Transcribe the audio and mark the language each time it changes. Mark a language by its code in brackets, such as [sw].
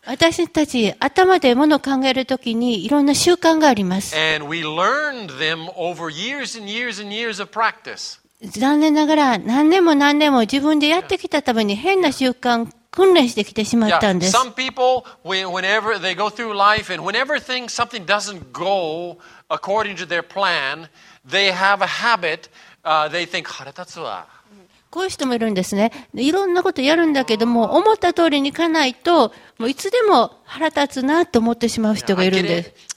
[ja] 私たち頭でものを考えるときにいろんな習慣があります。 [en] And we learned them over years and years and years of practice. [ja] 残念ながら何年も何年も自分でやってきたために変な習慣訓練してきてしまったんです。 [en] Some people, whenever they go through life and whenever things, something doesn't go according to their plan, they have a habit, they think, [ja] 腹立つわ。こういう人もいるんですね。いろんなことやるんだけども、思った通りにいかないと、もういつでも腹立つなと思ってしまう人がいるんです。